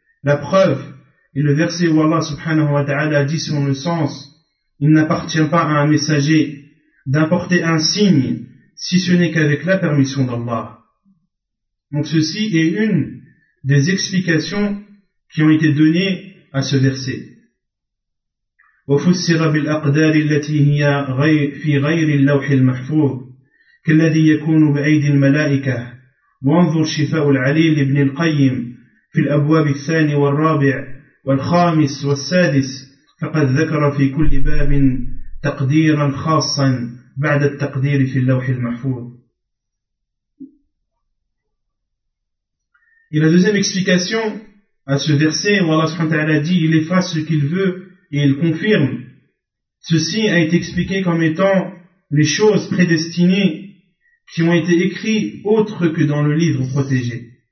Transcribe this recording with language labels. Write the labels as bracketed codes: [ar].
[fr] La preuve est le verset où Allah subhanahu wa ta'ala dit selon le sens, il n'appartient pas à un messager d'importer un signe si ce n'est qu'avec la permission d'Allah. Donc ceci est une des explications qui ont été données à ce verset. [ar] وفسر بالأقدار التي هي في غير اللوح المحفوظ كالذي يكون بأيدي الملائكة وانظر شفاء العليل لابن القيم في الأبواب الثاني والرابع والخامس والسادس فقد ذكر في كل باب تقديرا خاصا بعد التقدير في اللوح المحفوظ. [fr] Et la deuxième explication à ce verset où Allah subhanahu wa ta'ala dit il efface ce qu'il veut et il confirme. Ceci a été expliqué comme étant les choses prédestinées qui ont été écrites autres que dans le livre protégé.